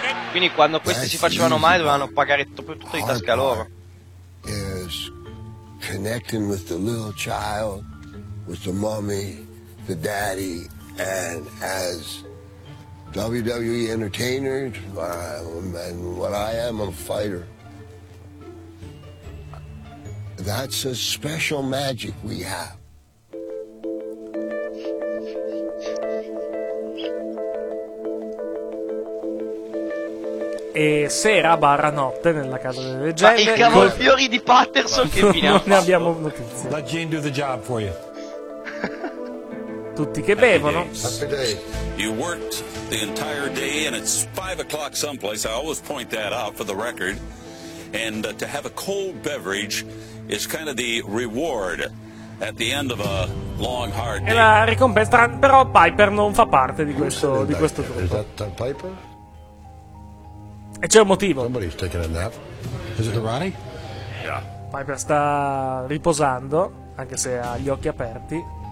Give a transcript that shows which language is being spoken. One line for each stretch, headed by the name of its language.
Italian: Quindi quando questi si facevano male dovevano pagare tutto di tasca loro.
English: Is connecting with the little child, with the mommy, the daddy, and as WWE entertainer, and what I am, a fighter. That's a special magic we have.
Italian: E sera barra notte nella casa delle leggende. Ma i cavolfiori di Patterson che finiamo. Non ne abbiamo notizie.
English: Let Gene do the job for you.
Italian: Tutti che bevono.
English: You worked the entire day and it's 5 o'clock someplace. I always point that out for the record. And to have a cold beverage is kind of the reward at the end of a long hard day.
Italian: È la ricompensa, però Piper non fa parte di questo, di questo gruppo.
English: Is that Piper?
Italian: E c'è un motivo.
English: Somebody's taking a nap. Is it Ronnie? Yeah.
Italian: Piper sta riposando, anche se ha gli occhi aperti.